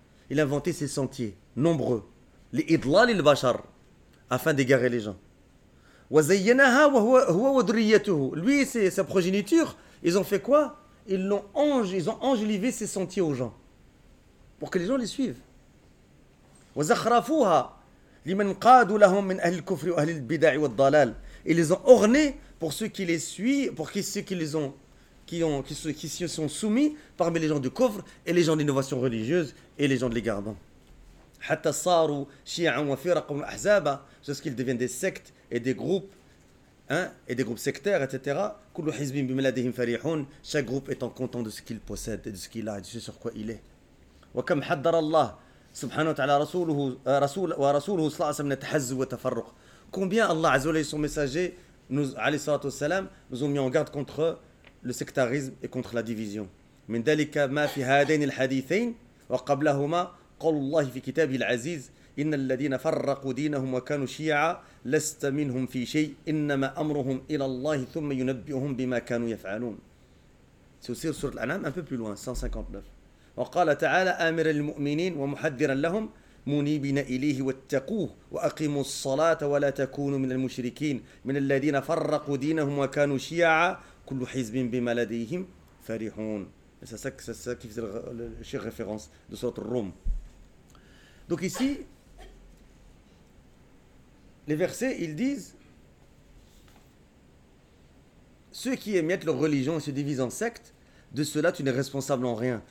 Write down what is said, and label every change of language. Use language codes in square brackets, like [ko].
[fr] Il a inventé ces sentiers nombreux. Les idlal et le bachar, afin d'égarer les gens. Lui et sa progéniture, ils ont fait quoi? Ils ont enjolivé ces sentiers aux gens. Pour que les gens les suivent. [ar] وزخرفوها لمن قادوا لهم من أهل الكفر وأهل البدع والضلال. [fr] Ils ont orné pour ceux qui les suivent, pour ceux qui les ont, qui se sont soumis parmi les gens du kufr et les gens d'innovation religieuse et les gens de l'égarement. [ar] حتى صاروا شيعا وفرقا وأحزابا. [fr] Jusqu'ils deviennent des sectes et des groupes, hein, et des groupes sectaires, etc. [ar] كل حزب بما لديهم فريحون. [fr] Chaque groupe étant content de ce qu'il possède et de ce qu'il a, de ce sur quoi il est. [ar] وكم حذر الله سبحانه وتعالى رسوله رسول ورسوله صلى الله عليه وسلم نتحزب وتفرق. [fr] Combien Allah [ar] عز وجل [fr] et son messager [ar] عليه الصلاة والسلام [fr] nous ont mis en garde contre le sectarisme et contre la division. [ar] من ذلك ما في هذين الحديثين وقبلهما قول الله في كتابه العزيز إن الذين فرقوا دينهم وكانوا شيعا لست منهم في شيء إنما أمرهم إلى الله ثم ينبئهم بما كانوا يفعلون. [fr] سورة الأنعام un peu plus loin 159. [ar] وقال تعالى آمر المؤمنين ومحذرا لهم منيبين إليه واتقوه وأقيموا الصلاة ولا تكونوا من المشركين من الذين فرقوا دينهم وكانوا شيعا كل حزب بما لديهم فرحون. [fr] C'est ça qui faisait le chef référence de sourate Rum. Donc ici les versets ils disent ceux qui émiettent leur religion et se divisent en sectes, de cela, tu n'es responsable en rien.